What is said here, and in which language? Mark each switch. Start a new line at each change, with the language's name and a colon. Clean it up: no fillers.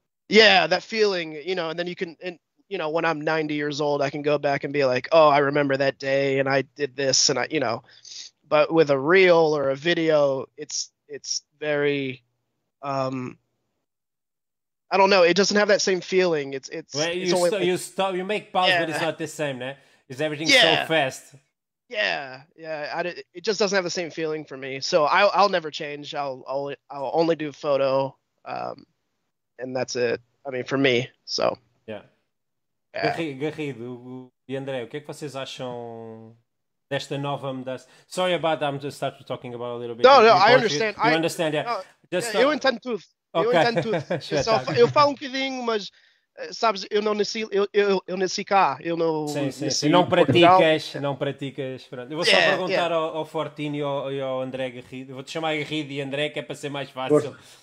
English: That feeling, you know, and then you can. You know, when I'm 90 years old, I can go back and be like, oh, I remember that day and I did this and I, you know, but with a reel or a video, it's very, I don't know. It doesn't have that same feeling. You make pause, but it's not the same, man. It's everything so fast. It just doesn't have the same feeling for me. So I'll never change. I'll only do photo. And that's it. I mean, for me, so. Yeah.
Portuguese: Garrido e André, o que é que vocês acham desta nova mudança?
English: Sorry about that, I'm just start talking about a little bit. No, I understand. You understand, yeah.
Portuguese: Yeah, eu entendo tudo. Okay. Eu falo um bocadinho, mas, sabes, eu não nasci, eu nasci cá. Eu não, sim. Não praticas, Pronto. Eu vou só perguntar ao Fortino e ao André Garrido. Eu vou-te chamar Garrido e André, que é para ser mais fácil. Por...